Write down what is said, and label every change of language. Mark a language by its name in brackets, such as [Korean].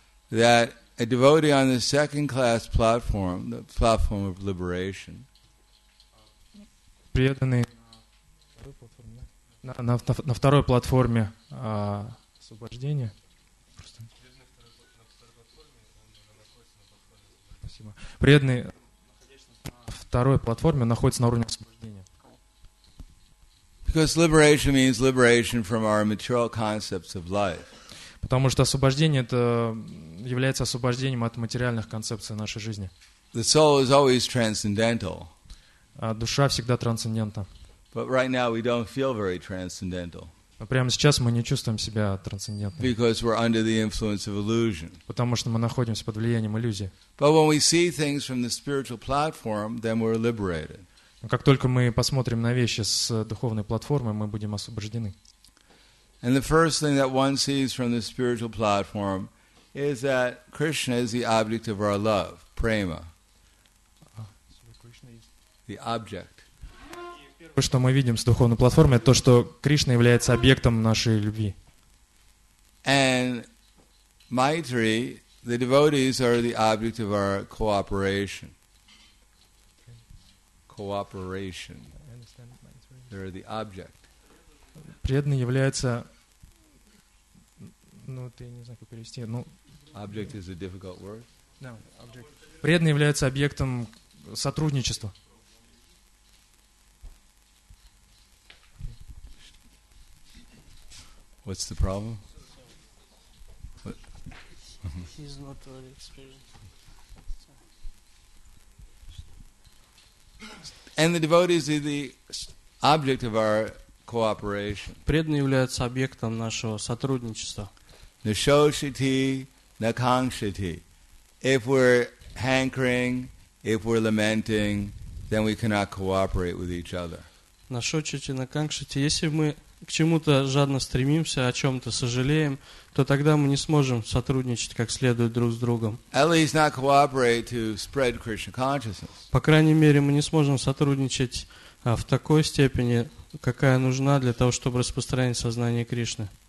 [English] That a devotee on the second class platform, the platform of liberation, [Russian] на второй платформе освобождения. Преданный на второй платформе находится на уровне освобождения. [English] Because liberation means liberation from our material concepts of life. [Russian] Потому что освобождение это является освобождением от материальных концепций нашей жизни. [English] The soul is always transcendental. [Russian] Душа всегда трансцендентна. [English] But right now we don't feel very transcendental. [Russian] Прямо сейчас мы не чувствуем себя трансцендентными. [English] Because we're under the influence of illusion. [Russian] Потому что мы находимся под влиянием иллюзии. [English] But when we see things from the spiritual platform, then we're liberated. [Russian] Как только мы посмотрим на вещи с духовной платформы, мы будем освобождены. [English] And the first thing that one sees from the spiritual platform is that Krishna is the object of our love, prema. The object. [Russian] То, что мы видим с духовной платформы, это то, что Кришна является объектом нашей любви. [English] And Maitri, the devotees are the object of our cooperation. Cooperation. They are the object. [Russian] Преданный является, ну, ты не знаю, как перевести, ну. [English] Object is a difficult word. No, object. [Russian] Преданный является объектом сотрудничества. [English] What's the problem? He's not very experienced. And the devotees are the object of our cooperation. [Russian] Преданные являются объектом нашего сотрудничества. [Sanskrit] Nishoshiti, nakangshiti. [English] If we're hankering, if we're lamenting, then we cannot cooperate with each other. [Sanskrit] Nishoshiti, nakangshiti. [Russian] Если мы к чему-то жадно стремимся, о чем-то сожалеем, то тогда мы не сможем сотрудничать как следует друг с другом. По крайней мере, мы не сможем сотрудничать в такой степени, какая нужна для того, чтобы распространить сознание Кришны.